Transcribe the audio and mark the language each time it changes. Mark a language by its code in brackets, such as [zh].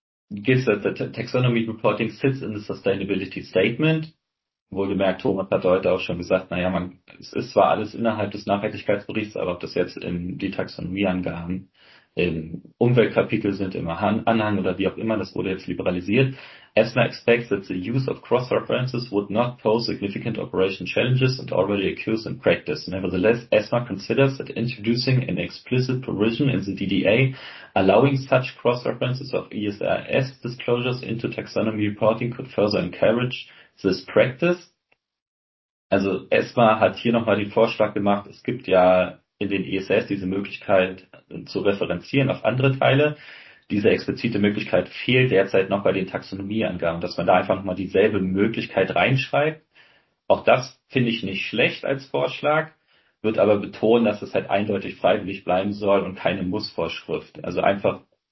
[en] Gives that the taxonomy reporting sits in the sustainability statement. [de] Wohlgemerkt, Thomas hat heute auch schon gesagt, naja, es ist zwar alles innerhalb des Nachhaltigkeitsberichts, aber ob das jetzt in die Taxonomieangaben im Umweltkapitel sind, im Anhang oder wie auch immer, das wurde jetzt liberalisiert. [en] ESMA expects that the use of cross-references would not pose significant operation challenges and already occurs in practice. Nevertheless, ESMA considers that introducing an explicit provision in the DDA allowing such cross-references of ESRS disclosures into taxonomy reporting could further encourage this practice. [de] Also ESMA hat hier nochmal den Vorschlag gemacht, es gibt ja in den ESRS diese Möglichkeit zu referenzieren auf andere Teile. Diese explizite Möglichkeit fehlt derzeit noch bei den Taxonomieangaben, dass man da einfach nochmal dieselbe Möglichkeit reinschreibt. Auch das finde ich nicht schlecht als Vorschlag, wird aber betonen, dass es halt eindeutig freiwillig bleiben soll und keine Mussvorschrift. Also einfach